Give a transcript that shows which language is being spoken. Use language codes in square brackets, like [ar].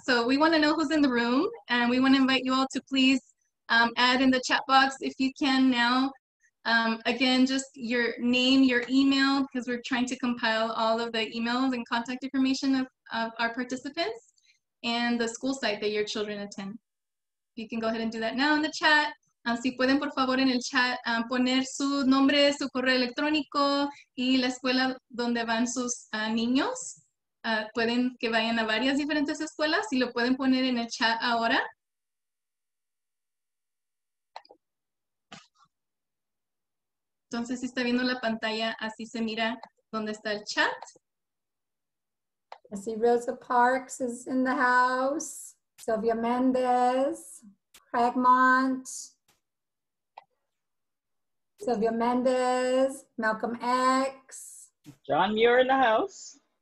[en] So we want to know who's in the room, and we want to invite you all to please add in the chat box, if you can now, again, just your name, your email, because we're trying to compile all of the emails and contact information of our participants, and the school site that your children attend. You can go ahead and do that now in the chat. [es] Si pueden, por favor, en el chat poner su nombre, su correo electrónico y la escuela donde van sus niños. Pueden que vayan a varias diferentes escuelas y lo pueden poner en el chat ahora. Entonces, si está viendo la pantalla, así se mira dónde está el chat. [en] I see Rosa Parks is in the house. Sylvia Mendez, Craigmont. Sylvia Mendez, Malcolm X. John Muir in the house.